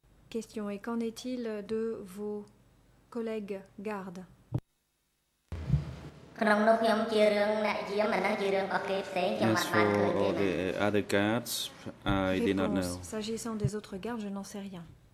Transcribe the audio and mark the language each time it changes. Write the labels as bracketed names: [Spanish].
[French] Question, et qu'en est-il de vos collègues gardes? [English] As for all the other guards, I did not know. [French] S'agissant des autres gardes, je n'en sais rien.